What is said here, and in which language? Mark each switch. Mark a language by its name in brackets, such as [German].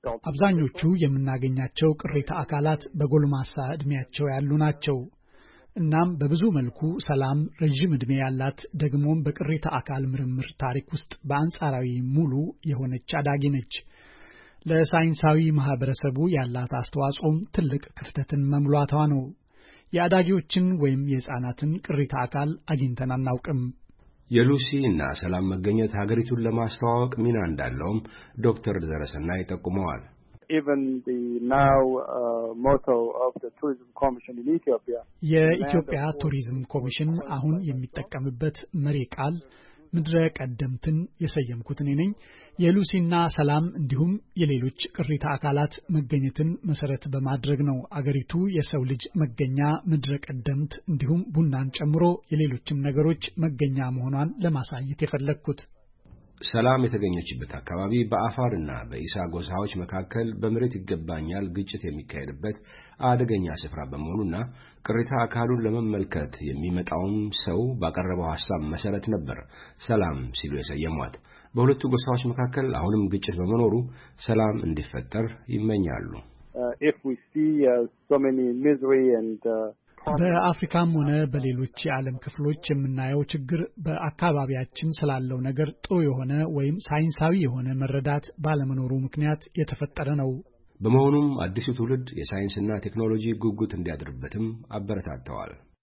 [Amharic] አብዛኞቹ የምናገኛቸው ቅሪታ አካላት በጎልማሳ ዕድሜያቸው ያሉ ናቸው። እናም በብዙ መልኩ ሰላም ረጅም ዕድሜ ያላት ደግሞም በቅሪታ አካል ምርምር ታሪክ ውስጥ በአንጻራዊ ሙሉ የሆነች አዳጊ ነች። ለሳይንሳዊ ማህበረሰቡ ያላት አስተዋጽኦም ትልቅ ክፍተትን መሙላቷ ነው። የአዳጊዎችን ወይም የሕፃናትን ቅሪታ አካል አግኝተን አናውቅም። የሉሲ እና ሰላም መገኘት ሀገሪቱን ለማስተዋወቅ ሚና እንዳለውም ዶክተር ዘረሰናይ ይጠቁመዋል። [English] Even the now motto of the tourism commission in Ethiopia [Amharic] የኢትዮጵያ ቱሪዝም ኮሚሽን አሁን የሚጠቀምበት መሪ ቃል ምድረ ቀደምትን የሰየምኩት እኔ ነኝ። የሉሲና ሰላም እንዲሁም የሌሎች ቅሪታ አካላት መገኘትን መሰረት በማድረግ ነው አገሪቱ የሰው ልጅ መገኛ ምድረ ቀደምት እንዲሁም ቡናን ጨምሮ የሌሎችም ነገሮች መገኛ መሆኗን ለማሳየት የፈለኩት። ሰላም የተገኘችበት አካባቢ በአፋርና በኢሳ ጎሳዎች መካከል በመሬት ይገባኛል ግጭት የሚካሄድበት አደገኛ ስፍራ በመሆኑና ቅሪታ አካሉን ለመመልከት የሚመጣውም ሰው ባቀረበው ሐሳብ መሰረት ነበር ሰላም ሲሉ የሰየሟት። በሁለቱ ጎሳዎች መካከል አሁንም ግጭት በመኖሩ ሰላም እንዲፈጠር ይመኛሉ። [English] If we see so many misery and [Amharic] በአፍሪካም ሆነ በሌሎች የዓለም ክፍሎች የምናየው ችግር በአካባቢያችን ስላለው ነገር ጥሩ የሆነ ወይም ሳይንሳዊ የሆነ መረዳት ባለመኖሩ ምክንያት የተፈጠረ ነው። በመሆኑም አዲሱ ትውልድ የሳይንስና ቴክኖሎጂ ጉጉት እንዲያድርበትም አበረታተዋል።